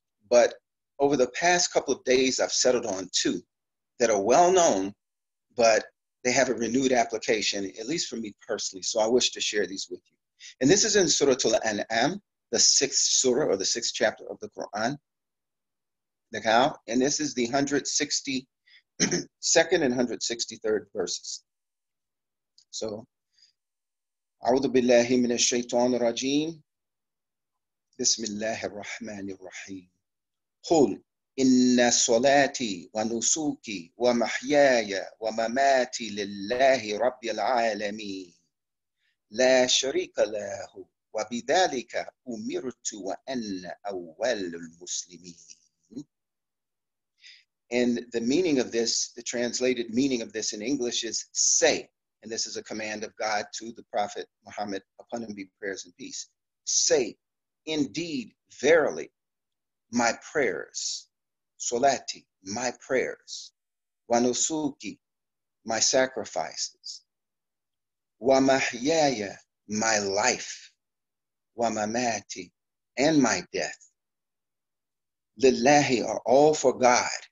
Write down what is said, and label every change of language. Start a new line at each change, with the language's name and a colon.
English: But over the past couple of days, I've settled on two that are well known, but they have a renewed application, at least for me personally. So I wish to share these with you. And this is in Surah Al-An'am, the sixth surah or the sixth chapter of the Quran. The cow, and this is the 162nd and 163rd verses.
Arabic: So, أعوذ بالله من الشيطان الرجيم بسم الله الرحمن الرحيم قل إن صلاتي ونسوكي ومحياي ومماتي لله رب العالمين لا شريك له وبذلك أمرت وأنا أول المسلمين.
English: And the meaning of this, the translated meaning of this in English is say, and this is a command of God to the Prophet Muhammad, upon him be prayers and peace. Say, indeed, verily, my prayers, solati, my prayers, wanusuki, my sacrifices, wamahyaya, my life, wamamati, and my death, lillahi, are all for God.